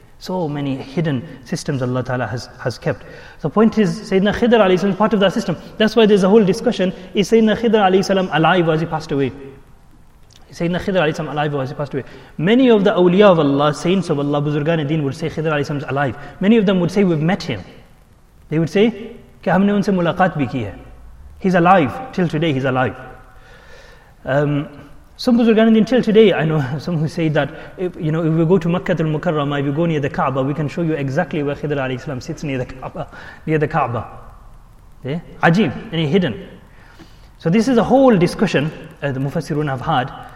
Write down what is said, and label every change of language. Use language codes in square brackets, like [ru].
[en] So many hidden systems Allah Ta'ala has kept. The point is, Sayyidina Khidr alayhi salam is part of that system. That's why there's a whole discussion. Is Sayyidina Khidr alayhi salam alive or has he passed away? Many of the awliya of Allah, saints of Allah, buzurgan deen would say Khidr alayhi salam is alive. Many of them would say, we've met him. They would say, [ur] کی ہمنے ان سے ملاقات بھی کی ہے۔ [en] He's alive. Till today, he's alive. Some buzurgan deen, till today, I know some who say that if we go to Makkah al-Mukarramah, if you go near the Kaaba, we can show you exactly where Khidr alayhi salam sits near the Kaaba. Yeah? Ajeeb, and he's hidden. So this is a whole discussion the Mufassirun have had.